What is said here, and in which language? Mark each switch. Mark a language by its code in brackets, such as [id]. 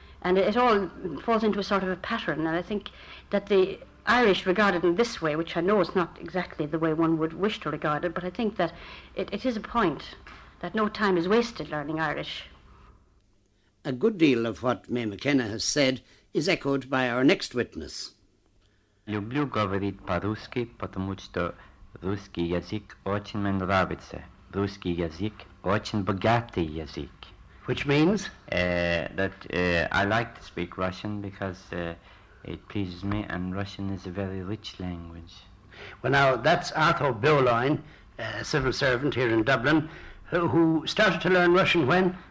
[en] And it all falls into a sort of a pattern. And I think that the Irish regarded in this way, which I know is not exactly the way one would wish to regard it, but I think that it is a point that no time is wasted learning Irish. A good deal of what May McKenna has said is echoed by our next witness. [ru] Люблю говорить по-русски, потому что русский язык очень мне нравится. Русский язык очень богатый язык. [en] Which means? I like to speak Russian because it pleases me, and Russian is a very rich language. Well, now, that's Arthur Bowline, a civil servant here in Dublin, who started to learn Russian when?